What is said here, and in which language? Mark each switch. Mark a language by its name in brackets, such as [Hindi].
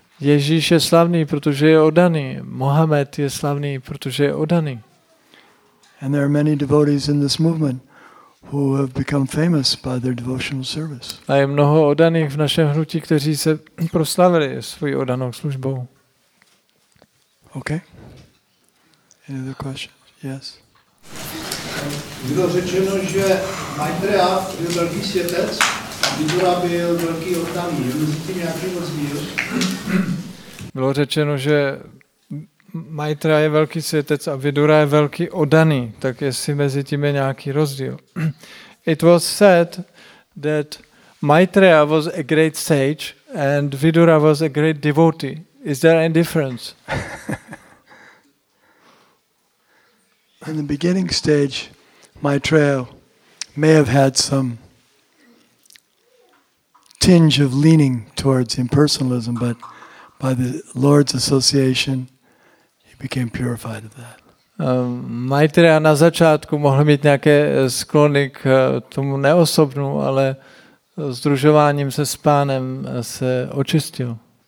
[Czech] Ježíš je slavný, protože je oddaný. Mohamed je slavný, protože je oddaný. [English] And there are many devotees in this movement who have become famous by their devotional service. [Czech] A je mnoho oddaných v našem hnutí, kteří se proslavili svou oddanou službou. [English] Okay. Any other questions? Yes. [Czech] Bylo řečeno, že Maitreya byl velký světec, Vidura byl velký oddaný. Je mezi tím nějaký rozdíl? Bylo řečeno, že Maitreya je velký světec a Vidura je velký oddaný. Tak jestli mezi tím je nějaký rozdíl? [English] It was said that Maitreya was a great sage and Vidura was a great devotee. Is there any difference? In the beginning stage, Maitreya may have had some tinge of leaning towards impersonalism, but by the Lord's association, he became purified of that. [Czech] Maitreya na začátku mohl mít nějaké sklony k tomu neosobnu, ale združováním se s pánem se očistil.